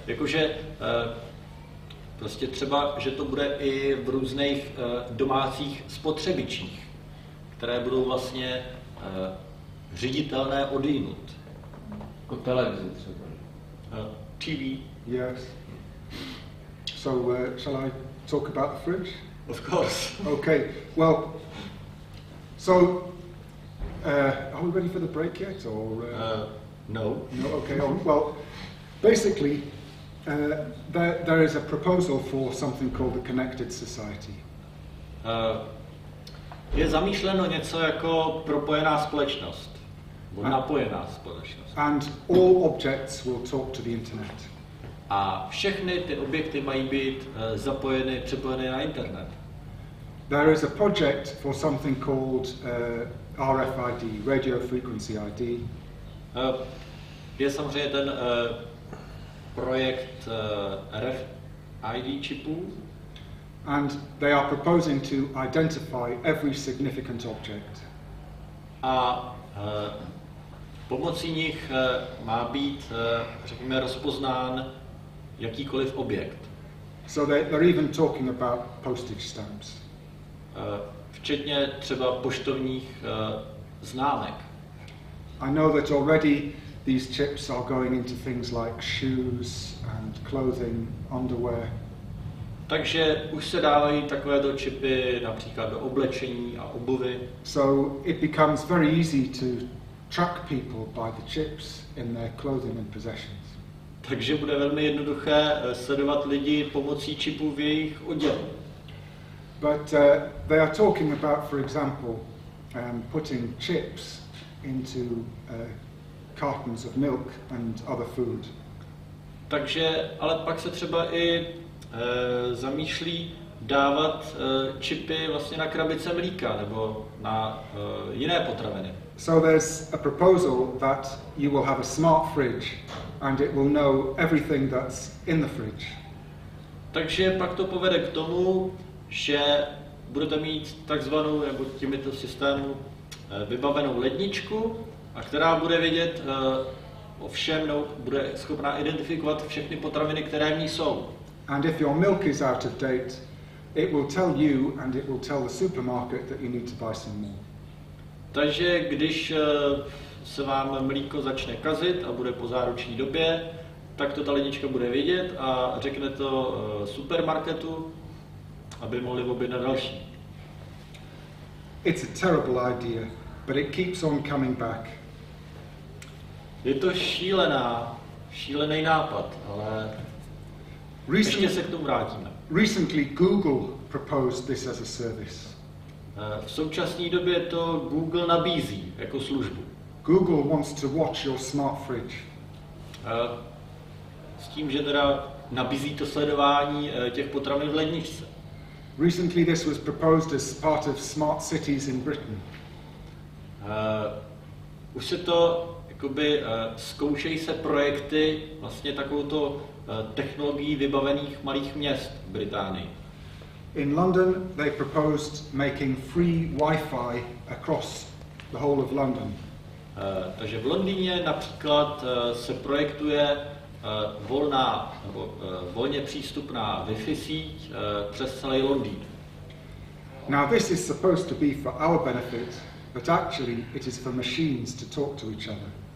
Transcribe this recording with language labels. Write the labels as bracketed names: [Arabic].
[Czech] Jakože prostě třeba, že to bude i v různých domácích spotřebičích, které budou vlastně řiditelné odinut. Jako televize třeba. [English] TV. Yes. So, shall I talk about the fridge? Of course. Okay, well, so, are we ready for the break yet, or? No. No, okay, well, basically, there is a proposal for something called the Connected Society. [Czech] Je zamýšleno něco jako propojená společnost, nebo napojená společnost. [English] And all objects will talk to the internet. [Czech] A všechny ty objekty mají být zapojeny, připojeny na internet. [English] There is a project for something called RFID, Radio Frequency ID. [Czech] Je samozřejmě ten projekt RFID čipů. [English] And they are proposing to identify every significant object. [Czech] A pomocí nich má být, řekněme, rozpoznán jakýkoliv objekt. [English] So they're even talking about postage stamps. [Czech] Včetně třeba poštovních známek. [English] I know that already these chips are going into things like shoes and clothing, underwear. [Czech] Takže už se dávají takovéto čipy například do oblečení a obuvi. [English] So it becomes very easy to track people by the chips in their clothing and possessions. [Czech] Takže bude velmi jednoduché sledovat lidi pomocí čipů v jejich oděvu. [English] But they are talking about, for example, putting chips into cartons of milk and other food. [Czech] Takže, ale pak se třeba i zamýšlí dávat čipy vlastně na krabice mlíka nebo na jiné potraviny. [English] So there's a proposal that you will have a smart fridge and it will know everything that's in the fridge. [Czech] Takže pak to povede k tomu, že budete mít takzvanou nebo tímto systému vybavenou ledničku, a která bude vědět o všem, no, bude schopná identifikovat všechny potraviny, které v ní jsou. [English] And if your milk is out of date, it will tell you and it will tell the supermarket that you need to buy some more. [Czech] Takže když se vám mlíko začne kazit a bude po záruční době, tak to ta lednička bude vědět a řekne to supermarketu, aby mohli objednat další. [English] It's a terrible idea, but it keeps on coming back. [Czech] Je to šílený nápad, ale ještě se k tomu vrátíme. [English] Recently Google proposed this as a service. [Czech] V současné době to Google nabízí jako službu. [English] Google wants to watch your smart fridge. [Czech] S tím, že teda nabízí to sledování těch potravin v ledničce. [English] Recently this was proposed as part of smart cities in Britain. [Czech] Už se to jakoby zkoušejí se projekty vlastně takovouto technologií vybavených malých měst v Británii. [English] In London, they proposed making free Wi-Fi across the whole of London. [Czech] Takže v Londýně například se projektuje volná nebo volně přístupná Wi-Fi síť přes celý Londýn. [English] Now this is supposed to be for our benefit, but actually it is for machines to talk to each other.